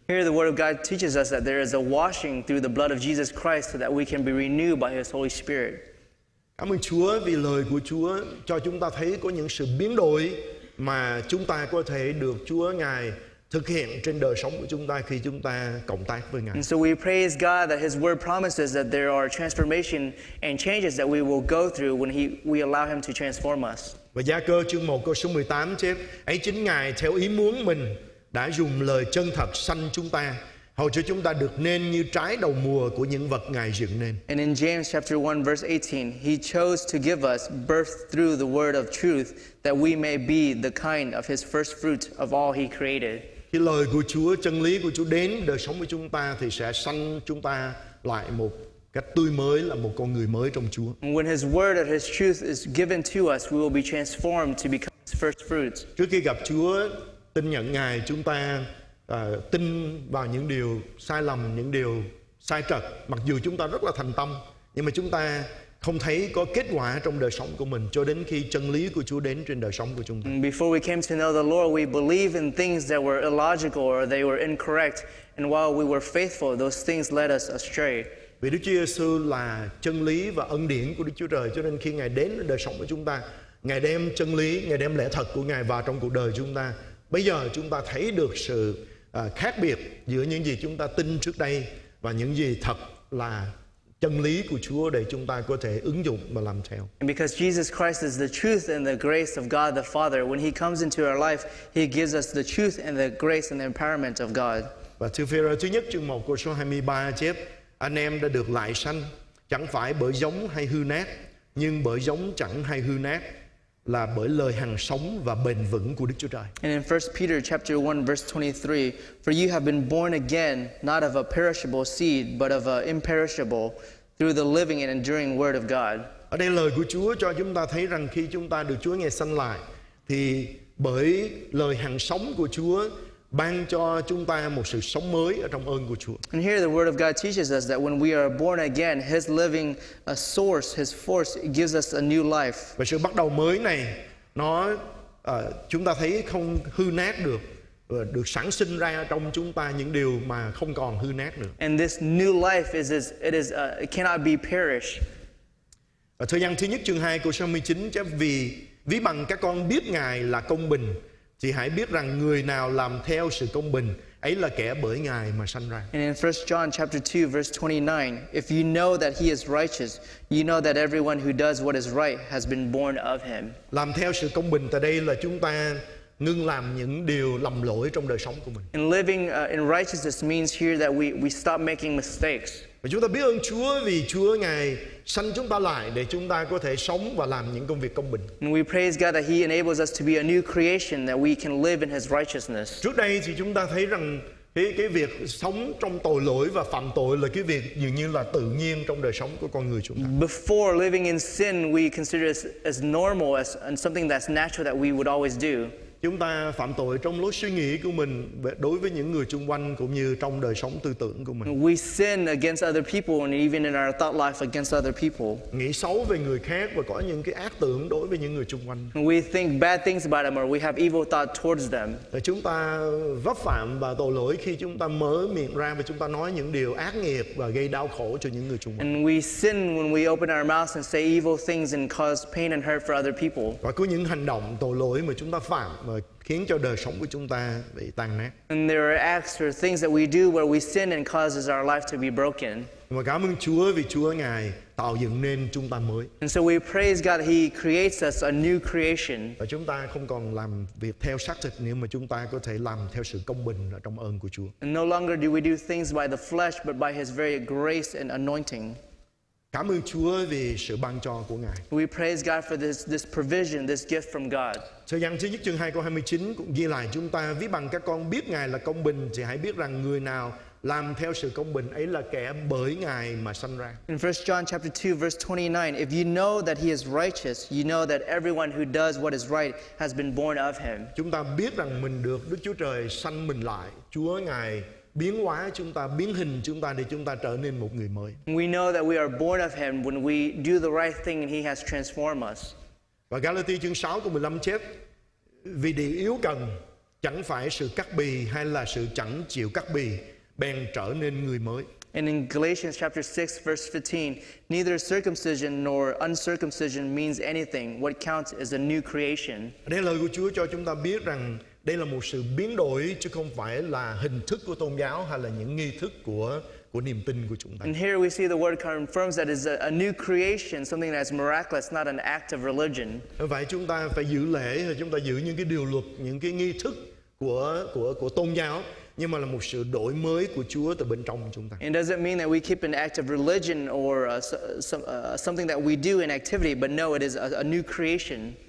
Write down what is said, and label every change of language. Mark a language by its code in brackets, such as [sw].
[en] Here the word of God teaches us that there is a washing through the blood of Jesus Christ so that we can be renewed by his Holy Spirit. [vi] Cảm ơn Chúa vì lời của Chúa cho chúng ta thấy có những sự biến đổi mà chúng ta có thể được Chúa Ngài thực hiện trên đời sống của chúng ta khi chúng ta cộng tác với Ngài. [en] And so we praise God that his word promises that there are transformation and changes that we will go through when we allow him to transform us. [vi] Và Gia-cơ chương 1 câu số 18 chép: ấy chính Ngài theo ý muốn mình đã dùng lời chân thật sanh chúng ta, hầu cho chúng ta được nên như trái đầu mùa của những vật Ngài dựng nên. [en] And in James chapter 1 verse 18, he chose to give us birth through the word of truth that we may be the kind of his first fruit of all he created. [vi] Khi lời của Chúa, chân lý của Chúa đến đời sống của chúng ta thì sẽ sanh chúng ta lại một cách tươi mới, là một con người mới trong Chúa. [en] And when his word and his truth is given to us, we will be transformed to become his first fruits. [vi] Trước khi gặp Chúa, tin nhận Ngài, chúng ta tin vào những điều sai lầm, những điều sai trật, mặc dù chúng ta rất là thành tâm nhưng mà chúng ta không thấy có kết quả trong đời sống của mình cho đến khi chân lý của Chúa đến trên đời sống của chúng ta. [en] Before we came to know the Lord, we believed in things that were illogical or they were incorrect, and while we were faithful, those things led us astray. [vi] Vì Đức Chúa Giêsu là chân lý và ân điển của Đức Chúa Trời, cho nên khi Ngài đến đời sống của chúng ta, Ngài đem chân lý, Ngài đem lẽ thật của Ngài vào trong cuộc đời chúng ta. Bây giờ chúng ta thấy được sự khác biệt giữa những gì chúng ta tin trước đây và những gì thật là chân lý của Chúa để chúng ta có thể ứng dụng và làm theo. [en] And because Jesus Christ is the truth and the grace of God the Father, when he comes into our life, he gives us the truth and the grace and the empowerment of God. [vi] Và thư Phi-e-rơ thứ nhất chương 1 câu số 23 chép: anh em đã được lại sanh chẳng phải bởi giống hay hư nát, nhưng bởi giống chẳng hay hư nát, là bởi lời hằng sống và bền vững của Đức Chúa Trời. [en] And in 1 Peter chapter 1 verse 23, for you have been born again not of a perishable seed but of an imperishable through the living and enduring word of God. [vi] Ở đây lời của Chúa cho chúng ta thấy rằng khi chúng ta được Chúa ngài sanh lại thì bởi lời hằng sống của Chúa ban cho chúng ta một sự sống mới ở trong ơn của Chúa. [en] And here the word of God teaches us that when we are born again, his living source, his force gives us a new life. [vi] Và sự bắt đầu mới này nó chúng ta thấy không hư nát được, được sản sinh ra trong chúng ta những điều mà không còn hư nát được. [en] And this new life it cannot be perished. [vi] Và thời gian thứ nhất chương 2 câu 29 chép: vì bằng các con biết Ngài là công bình Thì hãy biết rằng người nào làm theo sự công bình, ấy là kẻ bởi Ngài mà sanh ra. [en] And in 1 John chapter 2 verse 29, if you know that he is righteous, you know that everyone who does what is right has been born of him. [vi] Làm theo sự công bình tại đây là chúng ta ngưng làm những điều lầm lỗi trong đời sống của mình. [en] And living in righteousness means here that we stop making mistakes. [vi] Và chúng ta biết ơn Chúa vì Chúa Ngài sanh chúng ta lại để chúng ta có thể sống và làm những công việc công bình. [en] And we praise God that he enables us to be a new creation, that we can live in his righteousness. [vi] Trước đây thì chúng ta thấy rằng cái việc sống trong tội lỗi và phạm tội là cái việc dường như là tự nhiên trong đời sống của con người chúng ta. [en] Before living in sin, we consider it as normal, as something that's natural that we would always do. [vi] Chúng ta phạm tội trong lối suy nghĩ của mình đối với những người xung quanh cũng như trong đời sống tư tưởng của mình. [en] We sin against other people and even in our thought life against other people. [vi] Nghĩ xấu về người khác và có những cái ác tưởng đối với những người xung quanh. [en] We think bad things about them or we have evil thought towards them. [vi] Chúng ta vấp phạm và tội lỗi khi chúng ta mở miệng ra và chúng ta nói những điều ác nghiệp và gây đau khổ cho những người xung quanh. [en] And we sin when we open our mouths and say evil things and cause pain and hurt for other people. [vi] Và có những hành động tội lỗi mà chúng ta phạm khiến cho đời sống của chúng ta bị tan nát. [en] And there are acts or things that we do where we sin and causes our life to be broken. [vi] Và cảm ơn Chúa vì Chúa Ngài tạo dựng nên chúng ta mới. [en] And so we praise God he creates us a new creation. [vi] Và chúng ta không còn làm việc theo xác thịt nữa mà chúng ta có thể làm theo sự công bình ở trong ơn của Chúa. [en] And no longer do we do things by the flesh but by his very grace and anointing. [vi] Cảm ơn Chúa vì sự ban cho của Ngài. [en] We praise God for this provision, this gift from God. [vi] Thời gian thứ nhất chương 2 câu 29 cũng ghi lại chúng ta ví bằng các con biết Ngài là công bình thì hãy biết rằng người nào làm theo sự công bình ấy là kẻ bởi Ngài mà sanh ra. [en] In 1 John chapter 2 verse 29, if you know that he is righteous, you know that everyone who does what is right has been born of him. [vi] Chúng ta biết rằng mình được Đức Chúa Trời sanh mình lại. Chúa Ngài biến hóa chúng ta, biến hình chúng ta để chúng ta trở nên một người mới. [en] We know that we are born of him when we do the right thing and he has transformed us. [vi] Và Galatia chương 6 câu 15 chép, vì điều yếu cần chẳng phải sự cắt bì hay là sự chẳng chịu cắt bì bèn trở nên người mới. [en] And in Galatians chapter 6 verse 15, neither circumcision nor uncircumcision means anything. What counts is a new creation. [vi] Đây là lời của Chúa cho chúng ta biết rằng đây là một sự biến đổi chứ không phải là hình thức của tôn giáo hay là những nghi thức của niềm tin của chúng ta. [en] And here we see the word confirms that is a new creation, something that is miraculous, not an act of religion. [vi] Vậy chúng ta phải giữ lễ hay chúng ta giữ những cái điều luật, những cái nghi thức của tôn giáo, nhưng mà là một sự đổi mới của Chúa từ bên trong chúng ta. [en] And does it mean that we keep an act of religion or something that we do in activity, but no, it is a new creation.